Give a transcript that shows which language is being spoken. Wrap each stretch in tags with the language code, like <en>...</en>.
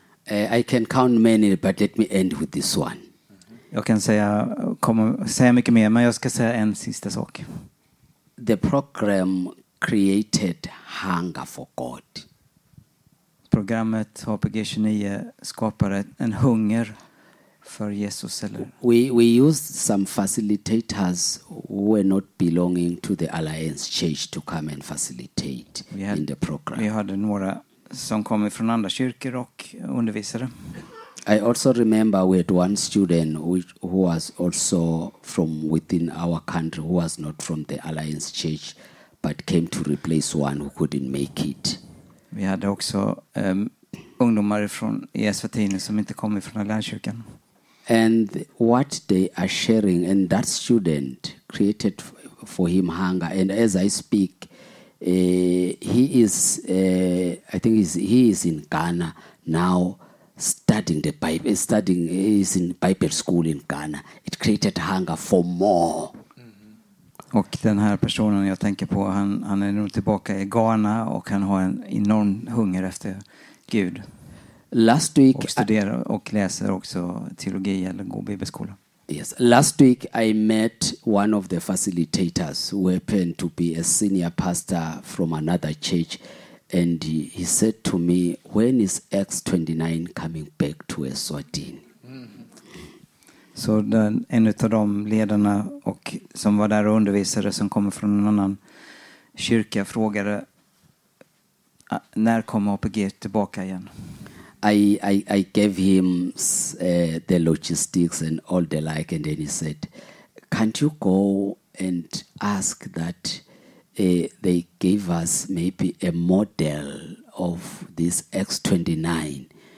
<en>I can count many, but let me end with this one.</en> <sv>Jag kan säga mycket mer, men jag ska säga en sista sak.</sv> <en>The program created hunger for God.</en> <sv>Programmet HPG 29 skapade en hunger för Jesus, eller?</sv> <en>We used some facilitators who were not belonging to the Alliance Church to come and facilitate in the program.</en> <sv>Vi hade några som kom från andra kyrkor och undervisade.</sv> <en>I also remember we had one student who was also from within our country who was not from the Alliance Church but came to replace one who couldn't make it.</en> <sv>Vi hade också ungdomar från Eswatini som inte kom från Alliance-kyrkan.</sv> <en>And what they are sharing, and that student created for him hunger. And as I speak, he is in Ghana now studying the Bible, is in Bible school in Ghana. It created hunger for more.</en> <sv>Och den här personen jag tänker på, han är nog tillbaka i Ghana och han har en enorm hunger efter Gud.</sv> <en>Last week</en> <sv>och studerar och läser också teologi eller går bibelskola.</sv> <en>Yes, last week I met one of the facilitators who happened to be a senior pastor from another church, and he said to me, when is X29 coming back to Eswatini?</en> <sv>Så en av de ledarna och som var där och undervisade som kommer från en annan kyrka frågade, när kommer APG tillbaka igen?</sv> <en>I gave him the logistics and all the like, and then he said, can't you go and ask that they gave us maybe a model of this X29?</en>